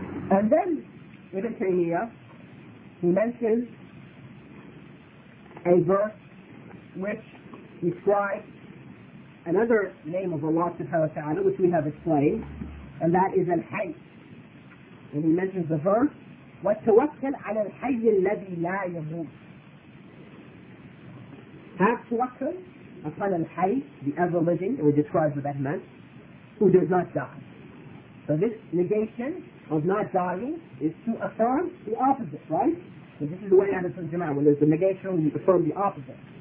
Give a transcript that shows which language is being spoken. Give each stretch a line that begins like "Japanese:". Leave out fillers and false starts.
English: And then, Ibn Taymiyyah, he mentions a verse which describes another name of Allah subhanahu wa ta'ala, which we have explained, and that is al-hayy. And he mentions the verse,
Arabic: وَتَوَكَّلْ عَلَى الْحَيِّ الَّذِي لَا يَمُوتُ.
English: Have tawakkal upon al-hayy, the ever-living, and we describe what that meant, who does not die. So this negation of not dying is to affirm the opposite, right? So this is the way Ahlus Sunnah Jama'ah, when there's a negation, we affirm the opposite.